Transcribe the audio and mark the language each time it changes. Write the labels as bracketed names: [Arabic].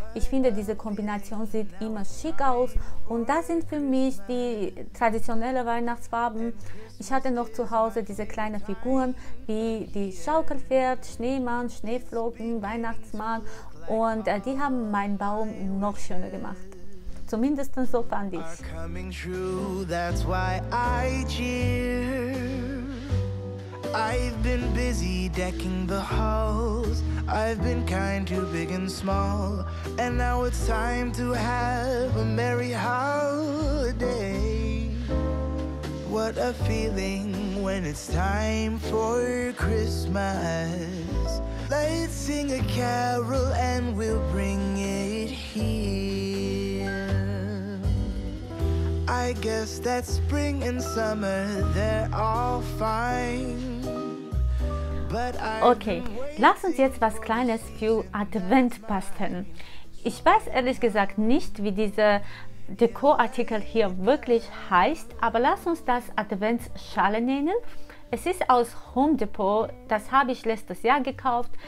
[German] Ich finde, diese Kombination sieht immer schick aus. Und das sind für mich die traditionellen Weihnachtsfarben. Ich hatte noch zu Hause diese kleinen Figuren wie die Schaukelpferd, Schneemann, Schneeflocken, Weihnachtsmann. Und die haben meinen Baum noch schöner gemacht. Zumindest so fand ich. [English] Are coming true, that's why I cheer. I've been busy decking the halls. I've been kind to big and small. And now it's time to have a merry holiday. What a feeling when it's time for Christmas. Let's sing a carol and we'll bring it here. I guess that spring and summer, they're all fine. But okay, [German] lass uns jetzt was Kleines für Advent basteln. Ich weiß ehrlich gesagt nicht, wie dieser Dekorartikel hier wirklich heißt, aber lass uns das Adventsschale nennen. Es ist aus Home Depot, das habe ich letztes Jahr gekauft.